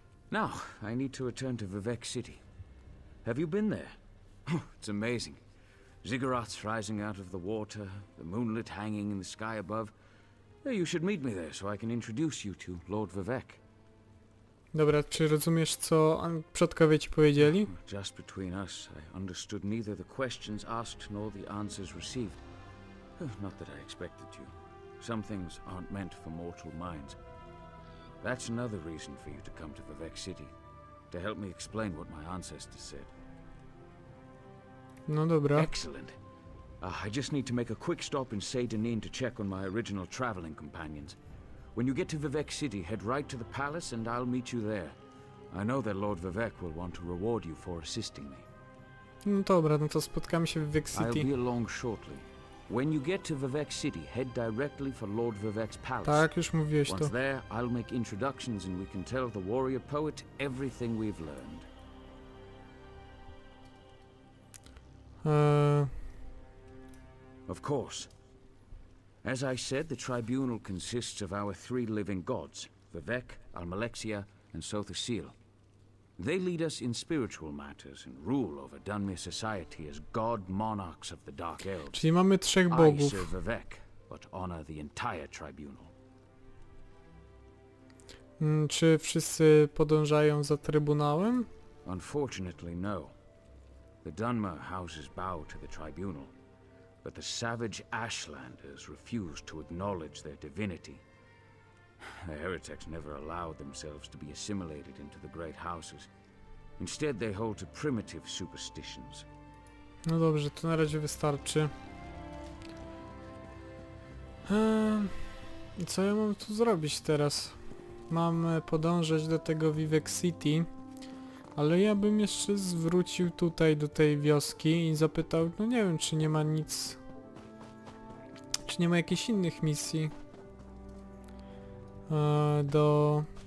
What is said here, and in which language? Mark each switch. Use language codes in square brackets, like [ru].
[en] Now, I need to return to Vivek City. Have you been there? Oh, it's amazing. Ziggurats rising out of the water, the moonlit hanging in the sky above. You should meet me there so I can introduce you to Lord Vivek. [pl] Dobra, czy rozumiesz, co przodkowie ci powiedzieli? [en] Just between us, I understood neither the questions asked nor the answers received. Not that I expected you. Some things aren't meant for mortal minds. That's another reason for you to come to Vivek City, to help me explain what my ancestors said. [pl] No dobra. [en] Excellent. I just need to make a quick stop in Saydenin to check on my original traveling companions. When you get to Vivek City, head right to the palace and I'll meet you there. I know that Lord Vivek will want to reward you for assisting me. [pl] No dobra, no to spotkamy się w Vivek City. [en] I'll be along shortly. When you get to Vivek City, head directly for Lord Vivek's palace. [pl] Tak, już mówiłeś to. [en] Once there, I'll make introductions and we can tell the warrior poet everything we've learned. Of course. As I said, the tribunal consists of our three living gods, Vivek, Almalexia, and Sota Seal. They lead us in spiritual matters and rule over Dunmir society as god monarchs of the Dark Elves. [pl] Czyli mamy trzech bogów. [en] I serve Vivek, but honor the entire tribunal. [pl] Czy wszyscy podążają za trybunałem? [en] Unfortunately, no. The Dunmer houses bow to the tribunal, but the savage Ashlanders refused to acknowledge their divinity. The heretics never allowed themselves to be assimilated into the great houses. Instead, they hold to primitive superstitions. [pl] No dobrze, to na razie wystarczy. Co ja mam tu zrobić teraz? Mam podążać do tego Vivek City, ale ja bym jeszcze zwrócił tutaj do tej wioski i zapytał, no nie wiem, czy nie ma nic, czy nie ma jakichś innych misji do...